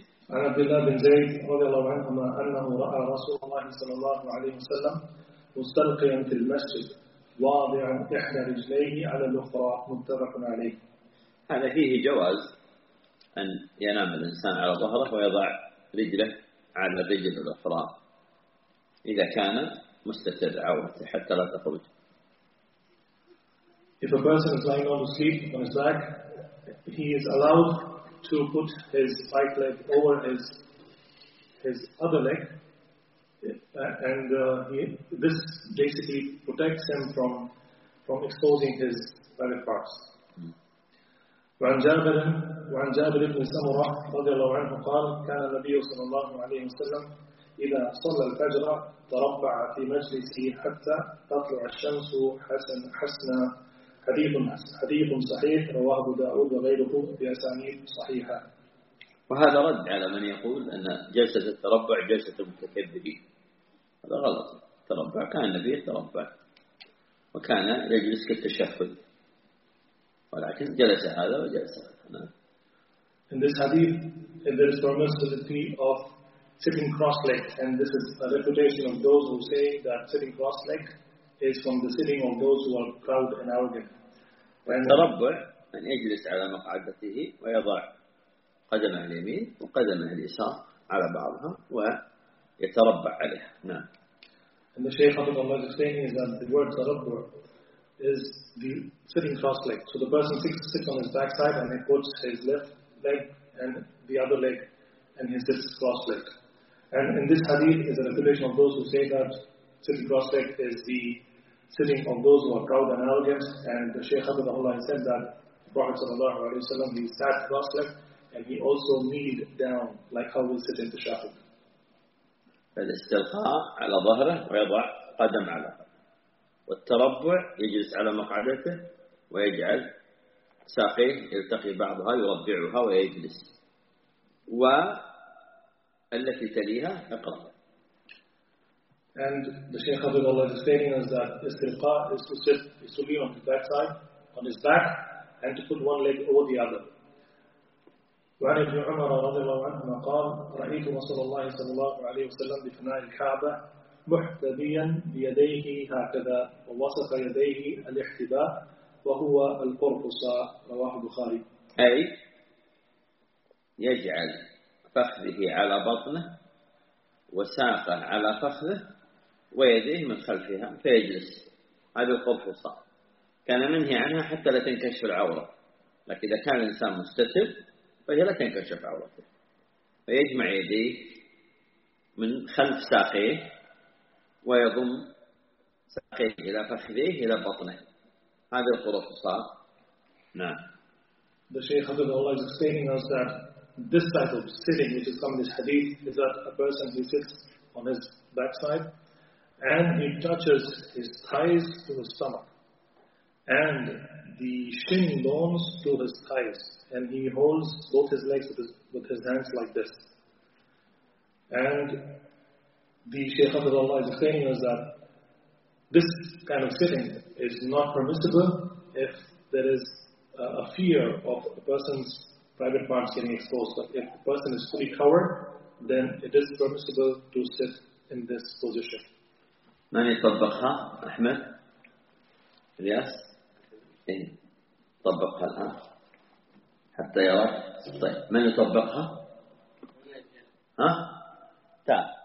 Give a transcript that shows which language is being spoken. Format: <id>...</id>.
<ar>عن عبد الله بن زيد رضي الله عنهما أنه رأى رسول الله صلى الله عليه وسلم مستلقيا في المسجد واضعا إحدى رجليه على الأخرى متفق عليه. هذا فيه جواز أن ينام الإنسان على ظهره ويضع رجله على الرجل الأخرى إذا كان مستتر عورته حتى لا تخرج.</ar> <en>If a person is lying on his sleep on his back, he is allowed to put his right leg over his other leg, and this basically protects him from exposing his private parts.</en> <ar>وعن جابر بن سمرة رضي الله عنه قال كان النبي صلى الله عليه وسلم إذا صلى الفجر تربع في مجلسه حتى تطلع الشمس حسنا. حديث صحيح رواه أبو داود وغيره بأسانيد صحيحة. وهذا رد على من يقول أن جلسة التربع جلسة المتكبرين. هذا غلط. التربع كان النبي يتربع وكان يجلس كالتشهد، ولكن جلس هذا وجلس هذا.</ar> <en>In this hadith, there is permissibility of sitting cross-legged, and this is a reputation of those who say that sitting cross-legged is from the sitting of those who are proud and arrogant.</en> <ar>التربع أن يجلس على مقعدته ويضع قدمه اليمين وقدمه اليسار على بعضها ويتربع عليها. نعم.</ar> <en>And the Shaykh Abdul Allah is saying is that the word تربع is the sitting cross-legged. So the person sits on his backside and he puts his left leg and the other leg and he sits cross-legged. And in this hadith is a repetition of those who say that sitting cross-legged is the sitting on those who are proud and arrogant, and the Shaykh Abdullah said that the Prophet sallallahu alayhi wa sallam, he sat cross-legged and he also kneeled down like how we sit in the shahid.</en> <ar>فالاستلقاء على ظهره ويضع قدم على ظهره، والتربع يجلس على مقعدته ويجعل ساقيه يلتقي بعضها يربعها ويجلس، والتي تليها اقرأ.</ar> <en>And the Shaykh Abdullah is explaining us that istilqa is to sit, is to lean on the back side, on his back, and to put one leg over the other.</en> <ar>وعن ابن عمر رضي الله عنه قال رأيت رسول الله صلى الله عليه وسلم بفناء الكعبة محتديا بيديه هكذا ووصف يديه الاحتباء وهو القرقصاء رواه البخاري. أي يجعل فخذه على بطنه وساقه على فخذه ويديه من خلفها فيجلس. هذه القبحة صح كان منهي عنها حتى لا تنكشف العورة، لكن إذا كان الإنسان مستتر فهي لا تنكشف عورته. فيجمع يديه من خلف ساقيه ويضم ساقيه إلى فخذيه إلى بطنه. هذه القرص صار. نعم.</ar> <en>The Shaykh Abdullah is explaining us that this type of sitting which is from this hadith is that a person who sits on his backside and he touches his thighs to his stomach and the shin bones to his thighs and he holds both his legs with his hands like this. And the Shaykh Abdullah is explaining us that this kind of sitting is not permissible if there is a fear of a person's private parts getting exposed. But if the person is fully covered, then it is permissible to sit in this position.</en> <ar>من يطبقها أحمد؟ إلياس؟ إيه؟ طبقها الآن حتى يرى. طيب من يطبقها؟ ها؟ تعال.</ar>